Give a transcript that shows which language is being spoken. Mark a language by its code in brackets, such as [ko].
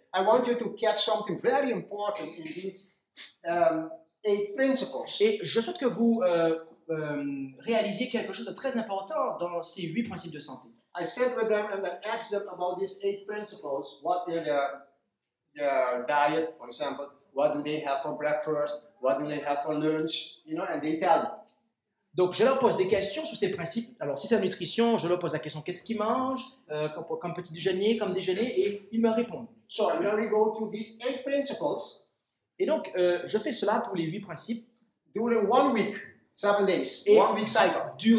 [en] I want you to catch something very important in these eight principles. [fr] Et je souhaite que vous réalisiez quelque chose de très important dans ces huit principes de santé. [en] I sat with them and I asked them about these eight principles, what they're their diet, for example, what do they have for breakfast, what do they have for lunch, you know, and they tell them. [fr] Donc, je leur pose des questions sur ces principes. Alors, si c'est la nutrition, je leur pose la question, qu'est-ce qu'ils mangent, comme petit déjeuner, comme déjeuner, et ils me répondent. [en] So, I'm going to go to these eight principles. [fr] Et donc, je fais cela pour les huit principes. [en] During 1 week, 7 days, et 1 week cycle.